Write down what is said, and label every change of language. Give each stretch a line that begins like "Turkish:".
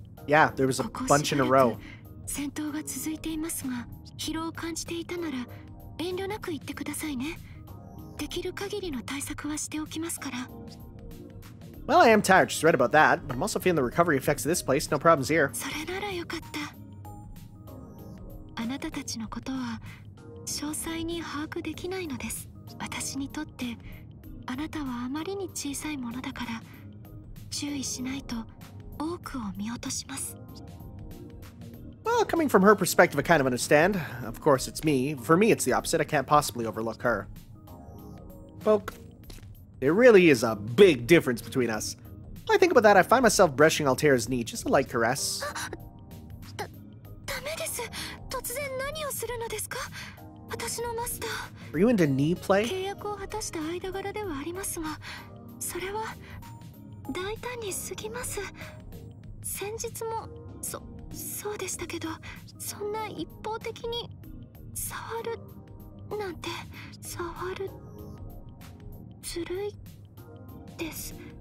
English: Yeah, there was a bunch in a row.
Japanese: 戦闘が続いていますが、疲労を感じていたなら遠慮なく言ってくださいね。できる限りの対策はしておきますから。
English: Well, I am tired, just read about that, but I'm also feeling the recovery effects of this place, no problems here.
Japanese: それならよかった。あなたたちのことは詳細に把握できないのです。私にとってあなたはあまりに小さいものだから、注意しないと多くを見落とします。
English: Well, coming from her perspective, I kind of understand. Of course, it's me. For me, it's the opposite. I can't possibly overlook her. Folk, there really is a big difference between us. When I think about that, I find myself brushing Altera's knee, just a light caress.
Japanese: ダメです! 突然何をするのですか? 私のマスター。
English: Are you into knee play?
Japanese: 契約を果たした間柄ではありますが、それは大胆に過ぎます。先日も、そうでしたけど、そんな一方的に触るなんて、触るずるいです。